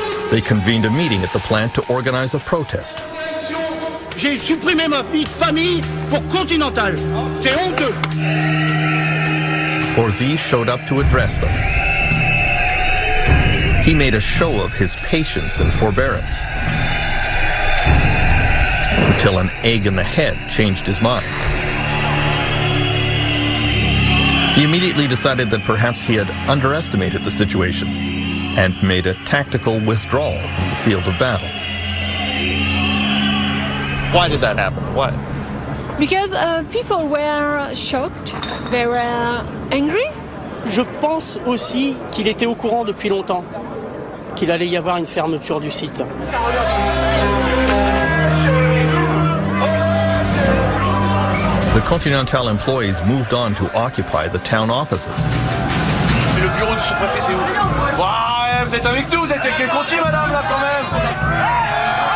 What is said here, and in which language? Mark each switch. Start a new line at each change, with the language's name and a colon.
English: They convened a meeting at the plant to organize a protest.
French: J'ai supprimé ma vie de famille pour Continental. C'est honteux.
English: Farzi showed up to address them. He made a show of his patience and forbearance until an egg in the head changed his mind. He immediately decided that perhaps he had underestimated the situation and made a tactical withdrawal from the field of battle. Why did that happen? Why? Because people were shocked. They were angry.
French: Je pense aussi qu'il était au courant depuis longtemps qu'il allait y avoir une fermeture du site.
English: The Continental employees moved on to occupy the town offices.
French: Le bureau du sous-préfet, c'est où? Vous êtes avec nous, vous êtes avec les comptiers, madame, là, quand même.